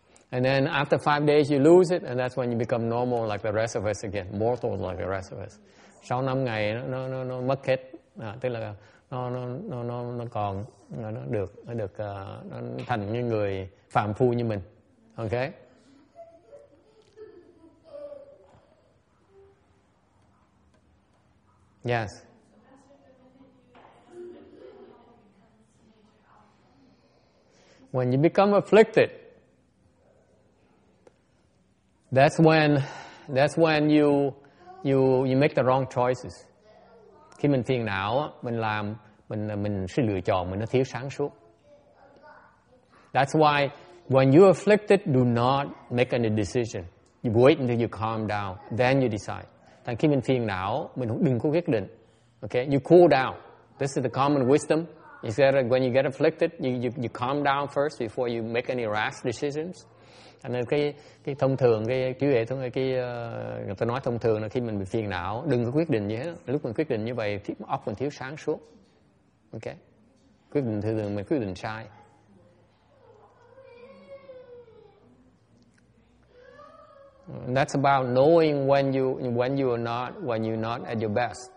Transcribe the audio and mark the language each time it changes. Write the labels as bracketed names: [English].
[English] And then after 5 days you lose it, and that's when you become normal like the rest of us again, mortal like the rest of us. [Vietnamese] Sau 5 ngày nó mất hết, tức là nó còn nó được thành như người phàm phu như mình. Okay. Yes. [English] When you become afflicted, that's when you make the wrong choices. [Vietnamese] Khi mình phiền não, mình làm mình sẽ lựa chọn mình nó thiếu sáng suốt. [English] That's why when you're afflicted, do not make any decision. You wait until you calm down, then you decide. [Vietnamese] Thành khi mình phiền não, mình đừng có quyết định. [English] Okay, you cool down. This is the common wisdom. Is that when you get afflicted, you calm down first before you make any rash decisions. And then [Vietnamese] cái thông thường cái trí huệ thông cái người ta nói thông thường là khi mình bị phiền não, đừng có quyết định gì hết. Lúc mình quyết định như vậy, thì óc mình thiếu sáng suốt. Okay, quyết định thường mình quyết định sai. [English] That's about knowing when you're not at your best.